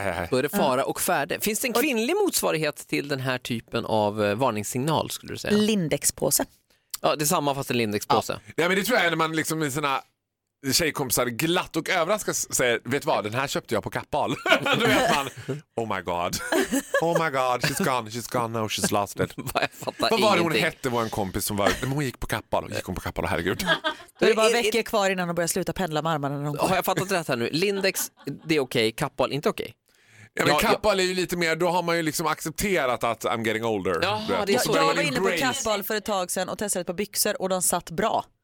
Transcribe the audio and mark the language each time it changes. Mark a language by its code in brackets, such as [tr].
[sv] Både fara och färde. Finns det en kvinnlig motsvarighet till den här typen av varningssignal skulle du säga? Lindexpåse. Ja, det är samma fast en lindexpåse. Ja, men det tror jag är när man liksom i sina tjejkompisar glatt och överraskad säger, vet vad, den här köpte jag på Kappahl. Då vet man, [en] oh my god. Oh my god, she's gone now, she's lost it. [sv] Vad var hon hette, var en kompis som var, hon gick på Kappahl, gick hon på Kappahl, herregud. Då är det bara veckor kvar innan hon börjar sluta pendla med armarna. Har jag fattat rätt här nu? Lindex, det är okej, Kappahl, inte okej. Ja, men Kappahl är ju lite mer, då har man ju liksom accepterat att [en] I'm getting older. [sv] Jag var inne på Kappahl för ett tag sedan och testade ett par byxor och de satt bra.